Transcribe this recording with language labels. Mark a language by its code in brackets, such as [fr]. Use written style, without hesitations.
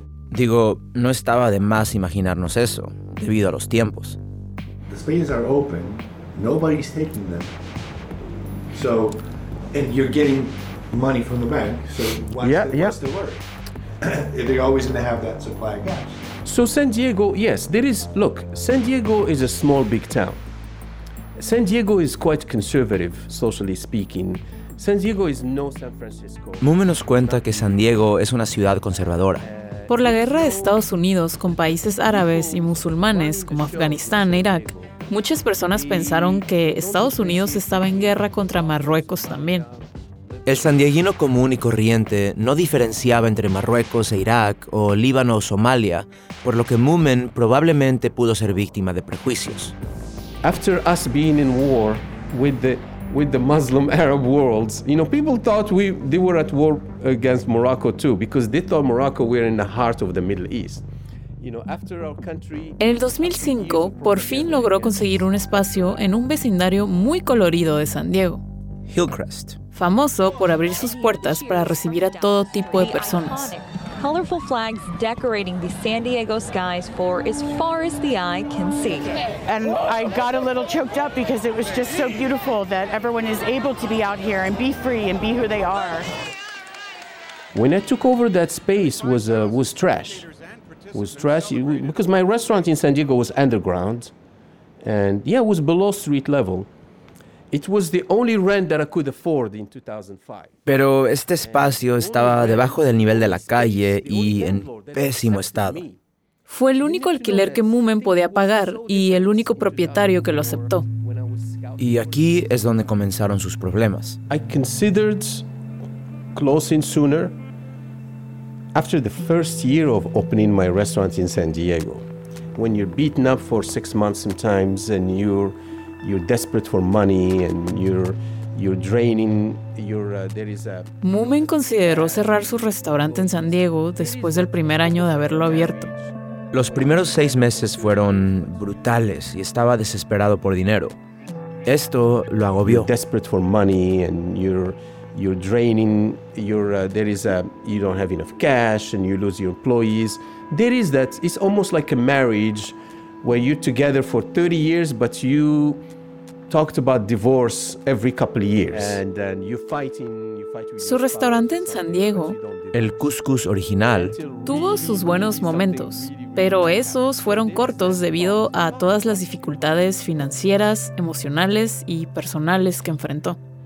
[es] Digo, no estaba de más imaginarnos eso, debido a los tiempos. [en] The spaces are open, nobody's taking them. So, and you're getting money from the bank, so what's the worry? They're always going to have that supply of cash. So San Diego, yes, there is, look, San Diego is a small, big town. San Diego is quite conservative, socially speaking. San Diego is no San Francisco. [es] Mume nos cuenta que San Diego es una ciudad conservadora. Por la guerra de Estados Unidos con países árabes y musulmanes como Afganistán e Irak, muchas personas pensaron que Estados Unidos estaba en guerra contra Marruecos también. El sandieguino común y corriente no diferenciaba entre Marruecos e Irak o Líbano o Somalia, por lo que Moomen probablemente pudo ser víctima de prejuicios. [en] After us being in war with the Muslim Arab worlds, you know, people thought they were at war against Morocco too, because they thought Morocco were in the heart of the Middle East. [es] En el 2005, por fin logró conseguir un espacio en un vecindario muy colorido de San Diego. Hillcrest. Famoso por abrir sus puertas para recibir a todo tipo de personas. [en] Colorful flags decorating the San Diego skies for as far as the eye can see. And I got a little choked up because it was just so beautiful that everyone is able to be out here and be free and be who they are. When I took over that space was trash. Was trash because my restaurant in San Diego was underground, and yeah, it was below street level. It was the only rent that I could afford in 2005. [es] Pero este espacio estaba debajo del nivel de la calle y en pésimo estado. Fue el único alquiler que Moomen podía pagar y el único propietario que lo aceptó. Y aquí es donde comenzaron sus problemas. [en] I considered closing sooner. After the first year of opening my restaurant in San Diego, when you're beaten up for 6 months sometimes and you're desperate for money and you're draining your there is a [es] Moomen consideró cerrar su restaurante en San Diego después del primer año de haberlo abierto. Los primeros 6 meses fueron brutales y estaba desesperado por dinero. Esto lo agobió. [en] You're desperate for money and you're draining your there is a you don't have enough cash and you lose your employees. There is that it's almost like a marriage where you're together for 30 years but you talked about divorce every couple of years and then you fight with [es] su restaurante en San Diego, el Couscous Original, tuvo sus buenos momentos, pero esos fueron cortos debido a todas las dificultades financieras, emocionales y personales que enfrentó.